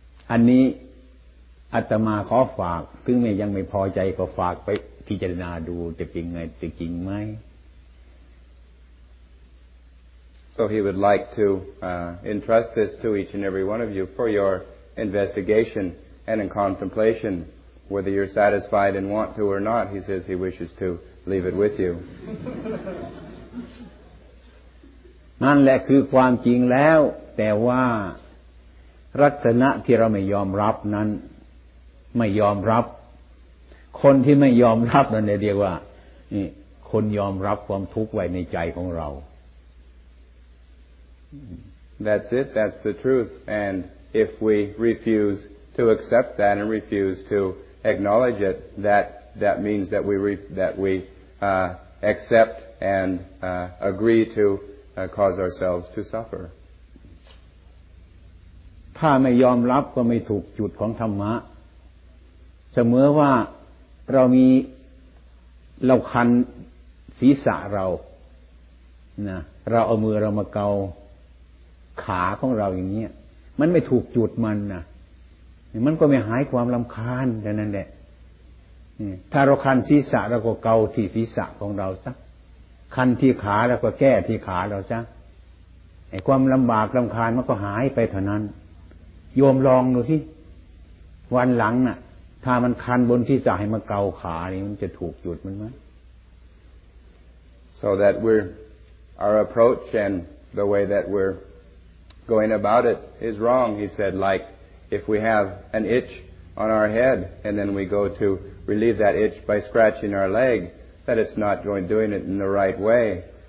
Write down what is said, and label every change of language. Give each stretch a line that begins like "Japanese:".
Thai: อันนี้อาตมาขอฝากถึงแม้ยังไม่พอใจก็ฝากไปพิจารณาดูจะเป็นไงจริงไหม
English: So he would like to entrust this to each and every one of you for your investigation and in contemplation, whether you're satisfied and want to or not. He says he wishes to leave it with you.
Thai: นั่นแหละคือความจริงแล้วแต่ว่าลักษณะที่เราไม่ยอมรับนั้นไม่ยอมรับคนที่ไม่ยอมรับนั่นเรียกว่าคนยอมรับความทุกข์ไว้ในใจของเรา
English: That's it, that's the truth. And if we refuse to accept that and refuse to acknowledge it, that that means that we accept and agree to cause ourselves to suffer.
Thai: ถ้าไม่ยอมรับก็ไม่ถูกจุดของธรรมะเสมอว่าเราคันศีรษะเรานะเราเอามือเรามาเกาขาของเราอย่างเงี้ยมันไม่ถูกจุดมันนะมันก็ไม่หายความรำคาญแค่นั้นแหละ ถ้าเราคันศีรษะเราก็เกาที่ศีรษะของเราซะคันที่ขาแล้วก็แก้ที่ขาเราซะไอ้ความลำบากรำคาญมันก็หายไปเท่านั้นโยมลองดูสิวันหลังน่ะถ้ามันคันบนที่จะให้มาเกาขานี่มันจะถูกหยุดมันมั้ย
English: So that our approach and the way that we're going about it is wrong, he said, like if we have an itch on our head and then we go to relieve that itch by scratching our leg, that it's not doing it in the right way.